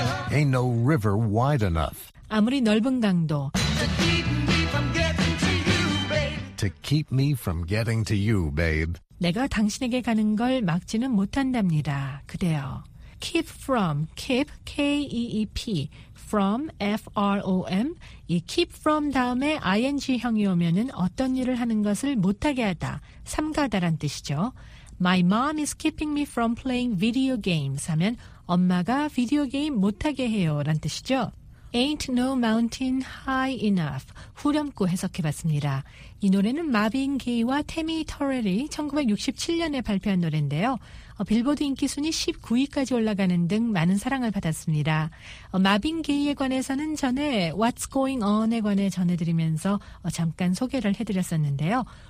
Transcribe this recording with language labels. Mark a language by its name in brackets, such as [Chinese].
[English] Ain't no river wide enough. [Korean] 아무리 넓은 강도. [English] To keep me from getting to you, babe. [Korean] 내가 당신에게 가는 걸 막지는 못한답니다. 그대여. [English] Keep from, keep, K-E-E-P, from, F-R-O-M. [Korean] 이 [English] keep from [Korean] 다음에 ing형이 오면은 어떤 일을 하는 것을 못하게 하다, 삼가다란 뜻이죠. [English] My mom is keeping me from playing video games [Korean] 하면 엄마가 비디오 게임 못하게 해요란 뜻이죠. [English] Ain't no mountain high enough. [Korean] 후렴구 해석해봤습니다. 이 노래는 마빈 게이와 태미 터렐이 1967년에 발표한 노래인데요. 빌보드 인기 순위 19위까지 올라가는 등 많은 사랑을 받았습니다. 마빈 게이에 관해서는 전에 What's Going On에 관해 전해드리면서 잠깐 소개를 해드렸었는데요.